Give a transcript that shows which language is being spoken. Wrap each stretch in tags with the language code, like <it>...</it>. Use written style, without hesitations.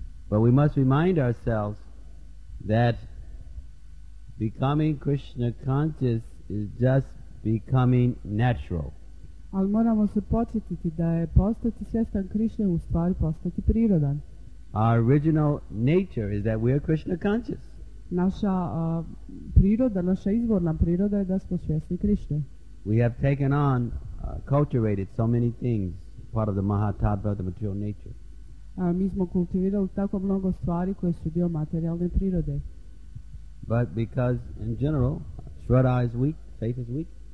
<en>But we must remind ourselves that becoming Krishna conscious is just becoming natural.</en> <hr>Ali moramo se podsjetiti da je postati svjestan Krishna u stvari postati prirodan.</hr> <en>Our original nature is that we are Krishna conscious.</en> <hr>Naša priroda, naša izvorna priroda je da smo svjesni Krishna.</hr> <en>We have taken on, cultivated so many things, part of the Mahatattva, the material nature.</en> <hr>Mi smo kultivirali tako mnogo stvari koje su dio materijalne prirode.</hr> <en>But because in general Shraddha is weak, faith is weak.</en>